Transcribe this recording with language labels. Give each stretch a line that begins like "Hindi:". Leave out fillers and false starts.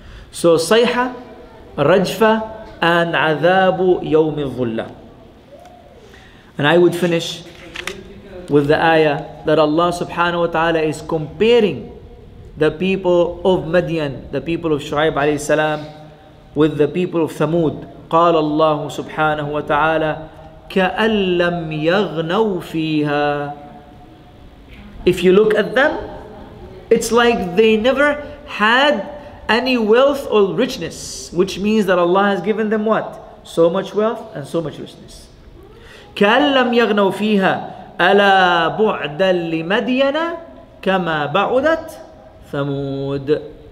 English: So sayha, rajfa, and azabu yawm al-dhulla. And I would finish with the ayah that Allah subhanahu wa ta'ala is comparing the people of Madian, the people of Shu'aib alayhi salam, with the people of Thamud.
Arabic: قال الله سبحانه وتعالى كأن لم يغنوا فيها.
English: If you look at them, it's like they never had any wealth or richness, which means that Allah has given them what? So much wealth and so much richness.
Arabic: كأن لم يغنوا فيها ألا بعدا لمدين كما بعدت ثمود.